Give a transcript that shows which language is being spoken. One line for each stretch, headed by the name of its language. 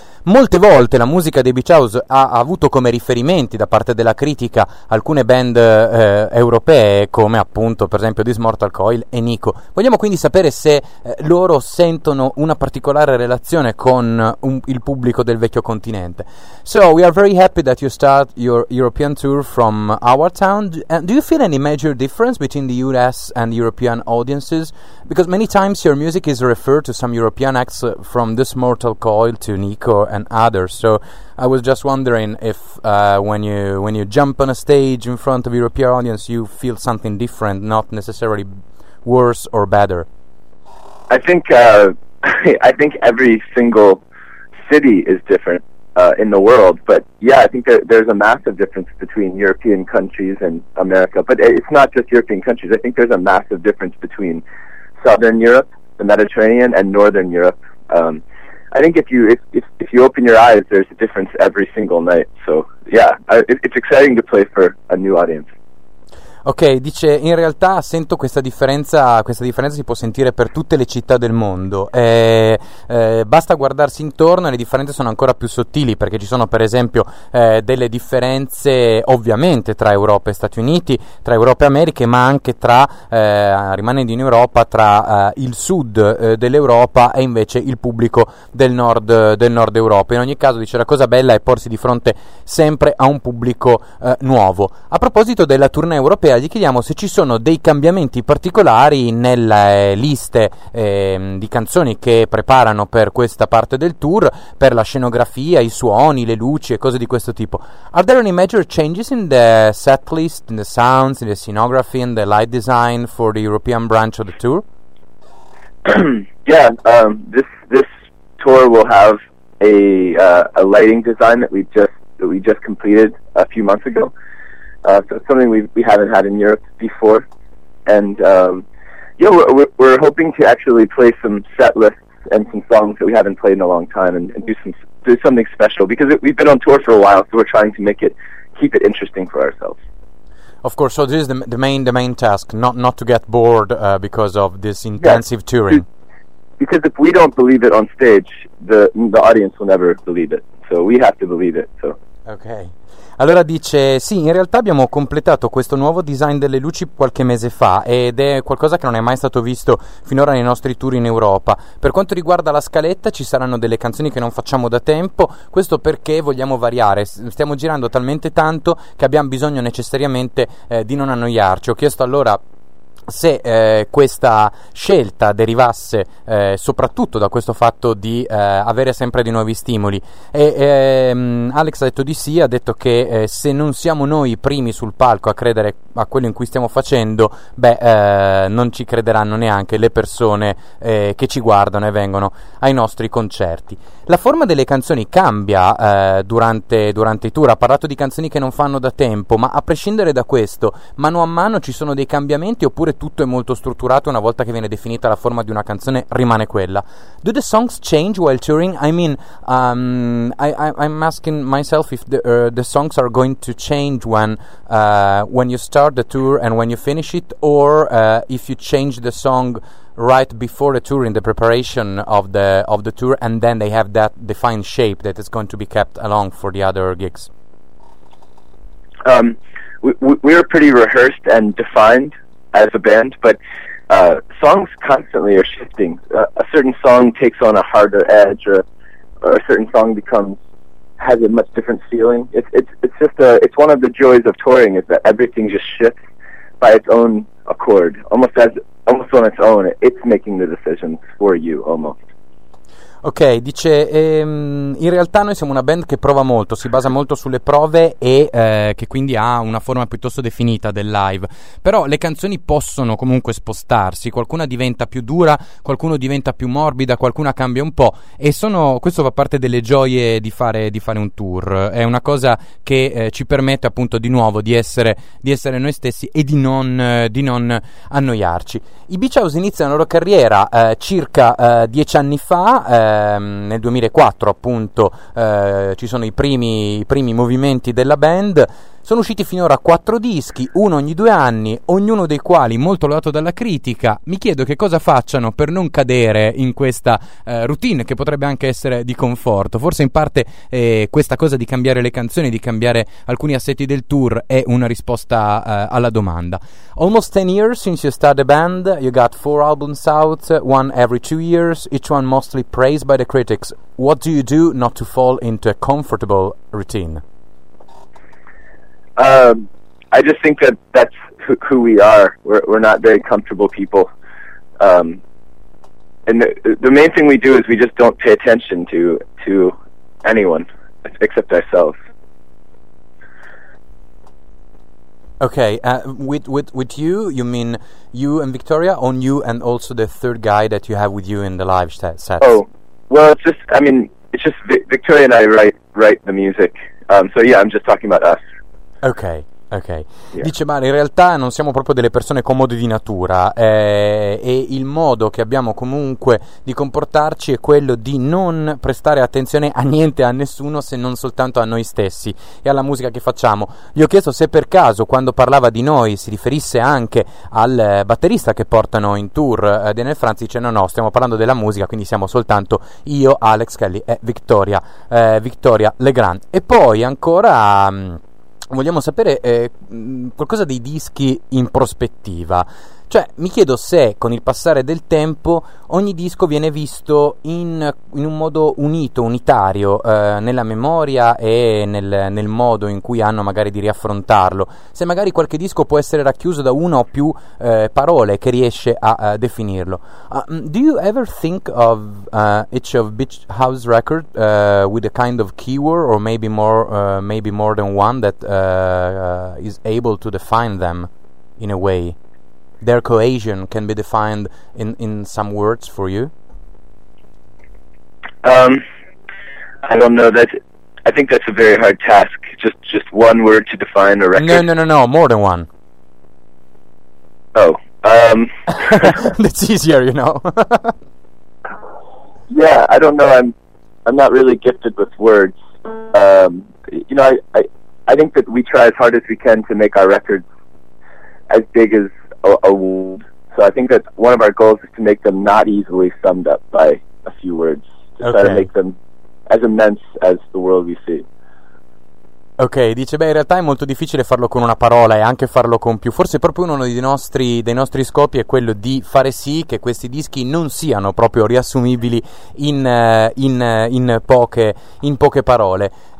Italian: Molte volte la musica dei Beach House ha avuto come riferimenti da parte della critica alcune band europee, come appunto per esempio This Mortal Coil e Nico. Vogliamo quindi sapere se loro sentono una particolare relazione con il pubblico del vecchio continente.
English: So we are very happy that you start your European tour from our town. Do you feel any major difference between the US and European audiences? Because many times your music is referred to some European acts, from This Mortal Coil to Nico and others. So I was just wondering if when you jump on a stage in front of European audience, you feel something different, not necessarily worse or better. I think I think every single city is different in the world, but yeah, I think there's a massive difference between European countries and America. But it's not just European countries. I think there's a massive difference between Southern Europe, the Mediterranean, and Northern Europe. I think if you open your eyes, there's a difference every single night. So yeah, it's exciting to play for a new audience.
Italian: Ok, dice, in realtà sento questa differenza si può sentire per tutte le città del mondo. Basta guardarsi intorno e le differenze sono ancora più sottili, perché ci sono per esempio delle differenze ovviamente tra Europa e Stati Uniti, tra Europa e Americhe, ma anche tra il sud dell'Europa e invece il pubblico del nord Europa. In ogni caso, dice, la cosa bella è porsi di fronte sempre a un pubblico nuovo. A proposito della tournée europea, gli chiediamo se ci sono dei cambiamenti particolari nelle liste di canzoni che preparano per questa parte del tour, per la scenografia, i suoni, le luci e cose di questo tipo.
English: Are there any major changes in the set list, in the sounds, in the scenography, in the light design for the European branch of the tour? Yeah, this tour will have a lighting design that we just completed a few months ago. So it's something we haven't had in Europe before, and we're hoping to actually play some set lists and some songs that we haven't played in a long time, and do something special, because we've been on tour for a while, so we're trying to keep it interesting for ourselves. Of course, so this is the main task, not to get bored because of this intensive touring. Because if we don't believe it on stage, the audience will never believe it. So we have to believe it. So. Okay.
Italian: Allora dice, sì, in realtà abbiamo completato questo nuovo design delle luci qualche mese fa ed è qualcosa che non è mai stato visto finora nei nostri tour in Europa. Per quanto riguarda la scaletta, ci saranno delle canzoni che non facciamo da tempo, questo perché vogliamo variare, stiamo girando talmente tanto che abbiamo bisogno necessariamente di non annoiarci. Ho chiesto allora se questa scelta derivasse soprattutto da questo fatto di avere sempre dei nuovi stimoli, e Alex ha detto di sì, ha detto che se non siamo noi i primi sul palco a credere a quello in cui stiamo facendo, non ci crederanno neanche le persone che ci guardano e vengono ai nostri concerti. La forma delle canzoni cambia durante i tour. Ha parlato di canzoni che non fanno da tempo, ma a prescindere da questo, mano a mano ci sono dei cambiamenti oppure tutto è molto strutturato? Una volta che viene definita la forma di una canzone, rimane quella.
English: Do the songs change while touring? I mean, I'm asking myself if the songs are going to change when you start the tour and when you finish it, or if you change the song right before the tour in the preparation of the tour, and then they have that defined shape that is going to be kept along for the other gigs. We are pretty rehearsed and defined as a band, but songs constantly are shifting. A certain song takes on a harder edge, or a certain song has a much different feeling. It's one of the joys of touring, is that everything just shifts. by its own accord, almost as almost on its own, it's making the decisions for you, almost.
Italian: Ok, dice, in realtà noi siamo una band che prova molto, si basa molto sulle prove e che quindi ha una forma piuttosto definita del live. Però le canzoni possono comunque spostarsi, qualcuna diventa più dura, qualcuno diventa più morbida, qualcuna cambia un po'. E sono, questo fa parte delle gioie di fare un tour. È una cosa che ci permette appunto di nuovo di essere noi stessi e di non annoiarci. I Beach House iniziano la loro carriera circa 10 anni fa, nel 2004 appunto ci sono i primi movimenti della band. Sono usciti finora 4 dischi, uno ogni 2 anni, ognuno dei quali molto lodato dalla critica. Mi chiedo che cosa facciano per non cadere in questa routine che potrebbe anche essere di conforto. Forse in parte questa cosa di cambiare le canzoni, di cambiare alcuni assetti del tour è una risposta alla domanda.
English: Almost 10 years since you started the band. You got 4 albums out, one every 2 years, each one mostly praised by the critics. What do you do not to fall into a comfortable routine? I just think that that's who we are. We're not very comfortable people. And the main thing we do is we just don't pay attention to anyone except ourselves. Okay, with you, you mean you and Victoria, on you and also the third guy that you have with you in the live sets? Oh, well, it's just, I mean, it's just Victoria and I write the music. So yeah, I'm just talking about us. Ok, ok.
Italian: Dice, ma in realtà non siamo proprio delle persone comode di natura e il modo che abbiamo comunque di comportarci è quello di non prestare attenzione a niente, a nessuno, se non soltanto a noi stessi e alla musica che facciamo. Gli ho chiesto se per caso, quando parlava di noi, si riferisse anche al batterista che portano in tour, Daniel Franz. Dice, no, stiamo parlando della musica, quindi siamo soltanto io, Alex Kelly e Victoria, Victoria Legrand. E poi ancora... vogliamo sapere qualcosa dei dischi in prospettiva. Cioè, mi chiedo se con il passare del tempo ogni disco viene visto in un modo unito, unitario, nella memoria e nel modo in cui hanno magari di riaffrontarlo. Se magari qualche disco può essere racchiuso da una o più parole che riesce a definirlo.
English: Do you ever think of each of Beach House record with a kind of keyword or maybe more than one that is able to define them in a way? Their cohesion can be defined in some words for you? I don't know. I think that's a very hard task. Just one word to define a record. No, more than one. Oh. That's easier, you know. Yeah, I don't know. I'm not really gifted with words. I think that we try as hard as we can to make our records as big as a wound. So I think that one of our goals is to make them not easily summed up by a few words. Try to make them as immense as the world we see.
Italian: Ok, dice, beh, in realtà è molto difficile farlo con una parola e anche farlo con più. Forse proprio uno dei nostri scopi è quello di fare sì che questi dischi non siano proprio riassumibili in poche parole.